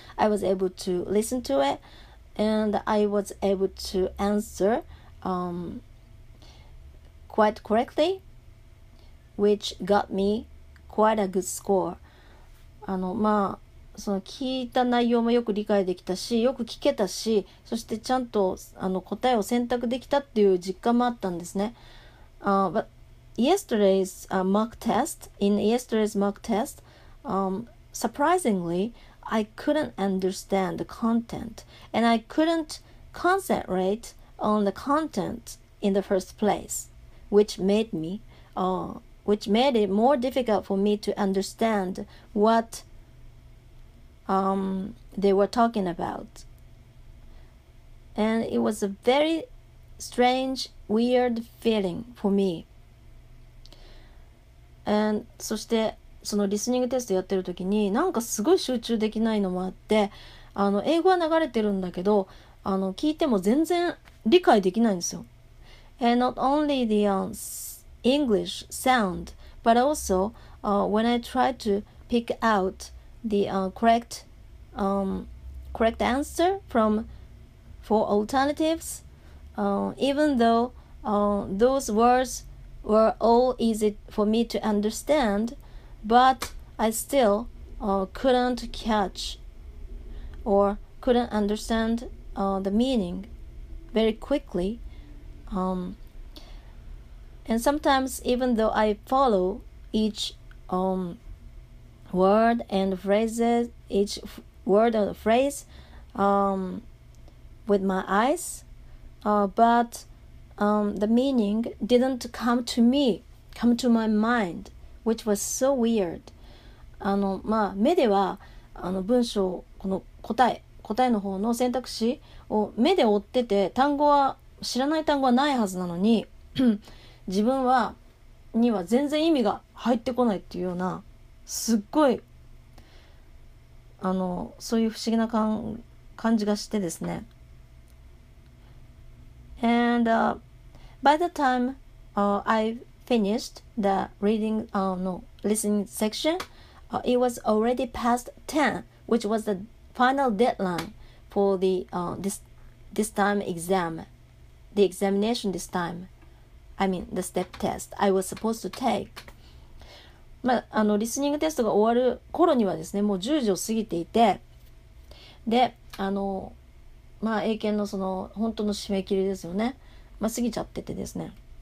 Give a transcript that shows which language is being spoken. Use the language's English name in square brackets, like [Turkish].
[English] I was able to listen to it and I was able to answer quite correctly. Which got me quite a good score. [Japanese] その聞いた内容もよく理解できたし、よく聞けたし、そしてちゃんと答えを選択できたっていう実感もあったんですね。 [English] But yesterday's mock test, in yesterday's mock test, surprisingly, I couldn't understand the content, and I couldn't concentrate on the content in the first place, which made me, which made it more difficult for me to understand what they were talking about. And it was a very strange, weird feeling for me. And [Japanese] そしてそのリスニングテストやってる時に、なんかすごい集中できないのもあって、英語は流れてるんだけど、聞いても全然理解できないんですよ。 [English] And not only the English sound, but also when I try to pick out the correct answer from four alternatives, even though those words were all easy for me to understand, but I still couldn't catch or couldn't understand the meaning very quickly. And sometimes, even though I follow each word and phrases, each word or phrase with my eyes, but the meaning didn't come to my mind, which was so weird. [Japanese] まあ、目では文章、この答えの方の選択肢を目で追ってて、単語は知らない単語はないはずなのに自分はには全然意味が入ってこないっていうような、すっごいそういう不思議な感じがしてですね。 [English] And by the time I finished the reading listening section, it was already past 10, which was the final deadline for the this time exam, the examination this time. I mean, the step test I was supposed to take. [Japanese] まあ、リスニングテストが終わる頃にはですね、もう10時を過ぎていて、で、まあ、英検のその、本当の締め切りですよね。まあ、過ぎちゃっててですね。